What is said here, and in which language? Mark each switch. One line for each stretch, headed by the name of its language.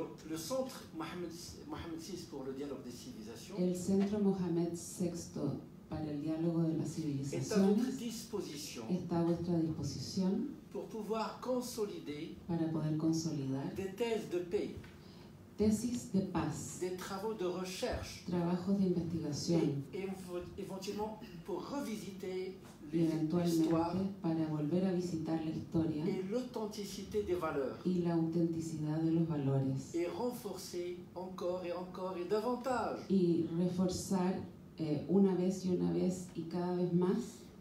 French: Le centre Mohamed VI pour le dialogue des civilisations.
Spanish: El centro Mohamed VI para el diálogo de las civilizaciones.
French: Est à votre disposition.
Spanish: Está a vuestra disposición.
French: Pour pouvoir consolider.
Spanish: Para poder consolidar.
French: Des thèses de paix.
Spanish: Tesis de paz.
French: Des travaux de recherche.
Spanish: Trabajos de investigación.
French: Et éventuellement pour revisiter l'histoire
Spanish: para volver a visitar la historia
French: et l'authenticité des valeurs
Spanish: y la autenticidad de los valores
French: et renforcer encore et encore et davantage
Spanish: y reforzar una vez y una vez y cada vez más